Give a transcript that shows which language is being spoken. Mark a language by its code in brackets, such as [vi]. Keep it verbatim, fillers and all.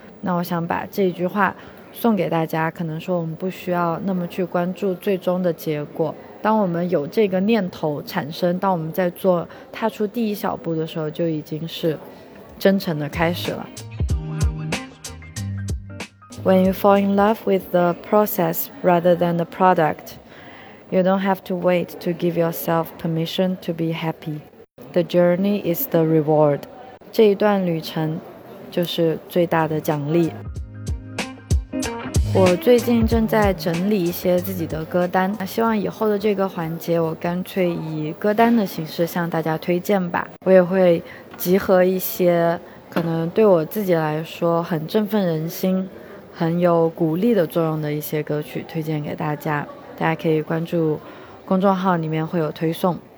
[zh] 那我想把这一句话送给大家，可能说我们不需要那么去关注最终的结果，当我们有这个念头产生，当我们在做踏出第一小步的时候，就已经是真诚的开始了。 [en] When you fall in love with the process rather than the product, you don't have to wait to give yourself permission to be happy. The journey is the reward. [zh] 这一段旅程就是最大的奖励。我最近正在整理一些自己的歌单，希望以后的这个环节我干脆以歌单的形式向大家推荐吧。我也会集合一些可能对我自己来说很振奋人心，很有鼓励的作用的一些歌曲推荐给大家，大家可以关注公众号，里面会有推送。